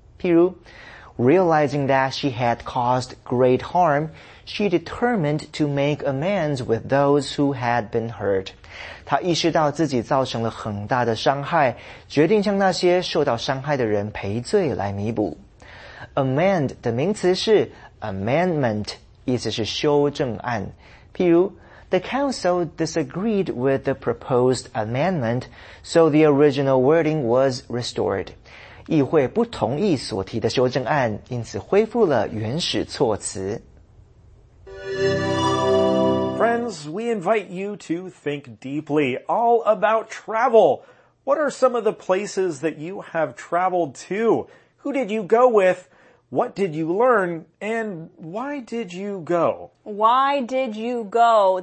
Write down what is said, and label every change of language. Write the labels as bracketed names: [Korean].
[Chinese] 譬如 [English] realizing that she had caused great harm,She determined to make amends with those who had been hurt. [Chinese] 她意识到自己造成了很大的伤害，决定向那些受到伤害的人赔罪来弥补。 Amend 的名词是 amendment， 意思是修正案。譬如 [English] ,The council disagreed with the proposed amendment, so the original wording was restored. [Chinese] 议会不同意所提的修正案，因此恢复了原始措辞。 [English] Friends, we invite you to think deeply all about travel. What are some of the places that you have traveled to? Who did you go with? What did you learn? And why did you go? Why did you go?